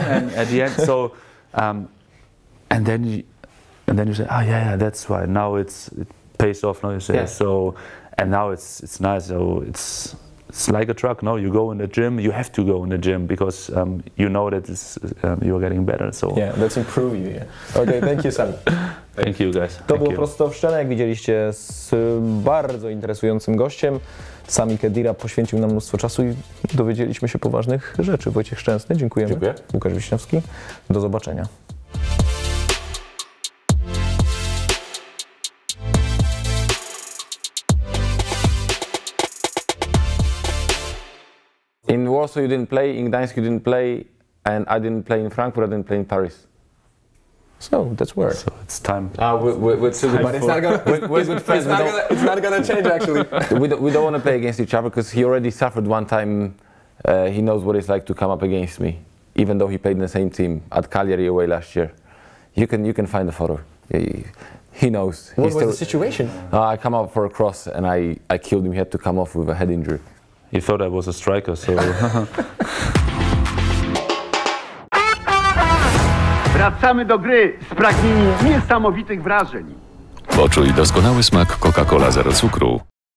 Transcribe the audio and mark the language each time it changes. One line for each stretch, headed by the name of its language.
English: And at the end, so and then you say, that's why. Now it pays off, no? You say, yeah. So, and now it's nice. So it's like a truck, no? You go in the gym, you have to go in the gym because you know that it's, you're getting better. So yeah, let's improve you. Yeah. Okay, thank you, Sami. Thank you, guys.
Polish: To było prosto w Szczenę, jak widzieliście, z bardzo interesującym gościem. Sami Khedira poświęcił nam mnóstwo czasu i dowiedzieliśmy się poważnych rzeczy. Wojciech Szczęsny, dziękujemy. Dziękuję. Łukasz Wiśniewski, do zobaczenia.
English: In Warsaw you didn't play, in Gdańsk you didn't play, and I didn't play in Frankfurt, I didn't play in Paris. So that's where. So it's time. It's not gonna change actually. We don't want to play against each other because he already suffered one time. He knows what it's like to come up against me, even though he played in the same team at Cagliari away last year. You can find the photo. He knows. What was the situation? I come up for a cross and I killed him. He had to come off with a head injury. He thought I was a striker, so.
Polish: Wracamy do gry z pragnieniem niesamowitych wrażeń. Poczuj doskonały smak Coca-Cola zero cukru.